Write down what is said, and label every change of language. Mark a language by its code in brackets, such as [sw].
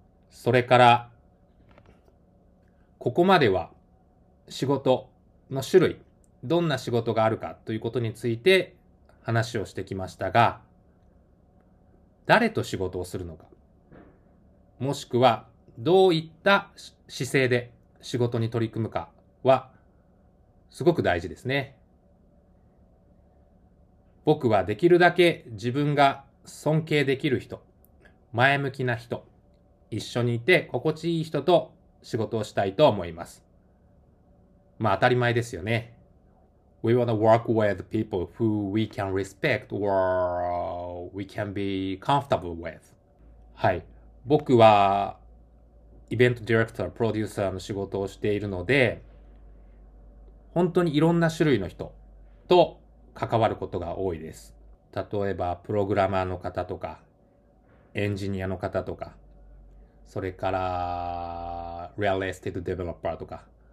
[ja] それから、ここまでは仕事の種類、どんな仕事があるかということについて話をしてきましたが、誰と仕事をするのか、もしくはどういった姿勢で仕事に取り組むかはすごく大事ですね。僕はできるだけ自分が尊敬できる人、前向きな人、一緒にいて心地いい人と仕事をしたいと思います。まあ当たり前ですよね。 [en] We want to work with people who we can respect or we can be comfortable with. [ja] はい。僕はイベントディレクター、プロデューサーの仕事をしているので、本当にいろんな種類の人と関わることが多いです。例えば、プログラマーの方とか、エンジニアの方とか、それから、リアルエステートデベロッパーとか、